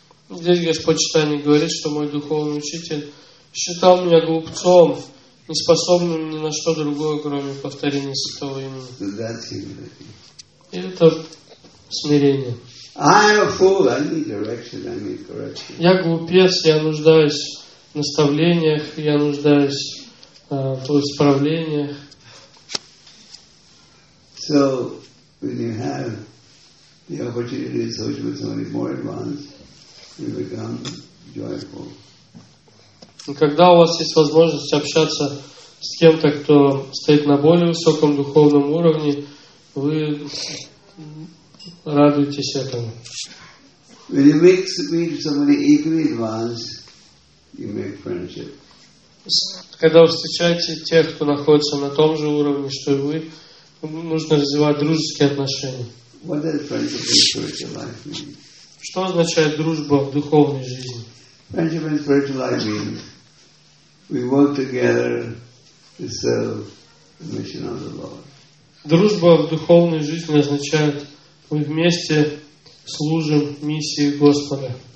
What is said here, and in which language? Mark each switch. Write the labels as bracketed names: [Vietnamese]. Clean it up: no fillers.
[Russian] Здесь Господь Читания говорит, что мой духовный учитель считал меня глупцом, не способным ни на что другое, кроме повторения святого имени. [English] So that's humility. [Russian] И это смирение. [English] I'm a fool. I need direction. I need correction. [Russian] Я глупец. Я нуждаюсь в наставлениях. Я нуждаюсь в исправлениях. [English] So when you have the opportunity to associate with somebody more advanced, you become joyful. [Russian] Когда у вас есть возможность общаться с кем-то, кто стоит на более высоком духовном уровне, вы радуйтесь этому. [English] When you mix with somebody equally advanced, you make friendship. [Russian] Когда вы встречаете тех, кто находится на том же уровне, что и вы, нужно развивать дружеские отношения. [English] What does friendship in spiritual life mean? [Russian] Что означает дружба в духовной жизни? [English] Friendship in spiritual life means we work together to serve the mission of the Lord. [Russian] Дружба в духовной жизни означает мы вместе служим миссии Господа.